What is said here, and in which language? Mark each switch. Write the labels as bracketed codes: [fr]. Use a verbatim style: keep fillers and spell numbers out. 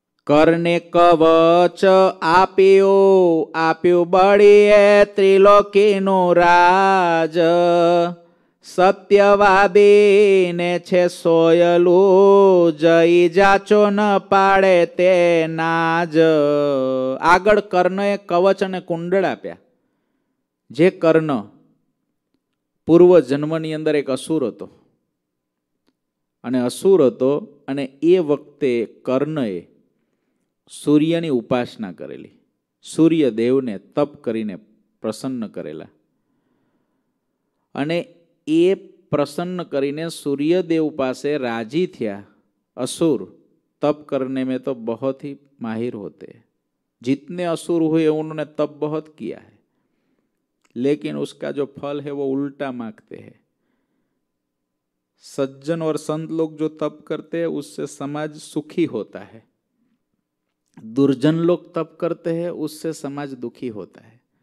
[gu] करने कवच आप्यो आप्यो बड़े त्रिलोकीनो राज, सत्यवादी ने छे सोयलू, जई जाचो न पाड़े ते नाज। આગળ કર્ણએ કવચ અને કુંડળ આપ્યા, જે કર્ણ પૂર્વ જન્મની અંદર એક અસુર હતો અને અસુર હતો અને એ વખતે કર્ણએ સૂર્યની ઉપાસના કરેલી, સૂર્યદેવને તપ કરીને પ્રસન્ન કરેલા અને એ પ્રસન્ન કરીને સૂર્યદેવ પાસે રાજી થયા। [hi] અસુર તપ કરને મેં તો બહોત ही माहिर होते हैं, जितने असुर हुए उन्होंने तप बहुत किया है, लेकिन उसका जो फल है वो उल्टा मांगते हैं। सज्जन और संत लोग जो तप करते हैं उससे समाज सुखी होता है, दुर्जन लोग तप करते हैं उससे समाज दुखी होता है।